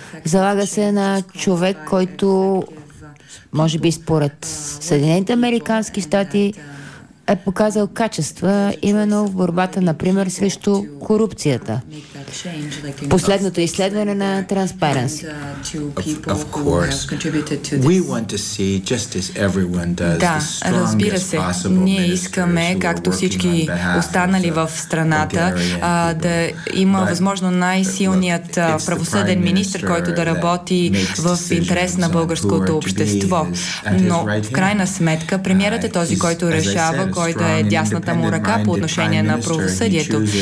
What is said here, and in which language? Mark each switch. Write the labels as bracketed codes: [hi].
[bg] Залага се на човек, който, може би според Съединените американски щати, е показал качества именно в борбата, например, срещу корупцията. Последното изследване на Transparency. [en] Of course. We want to see, just as everyone does, [bg] да, разбира се, ние искаме, както всички останали в страната, да има възможно най-силният правосъден министр, който да работи в интерес на българското общество. Но в крайна сметка, премиерът е този, който решава, кой да е дясната му ръка по отношение на правосъдието.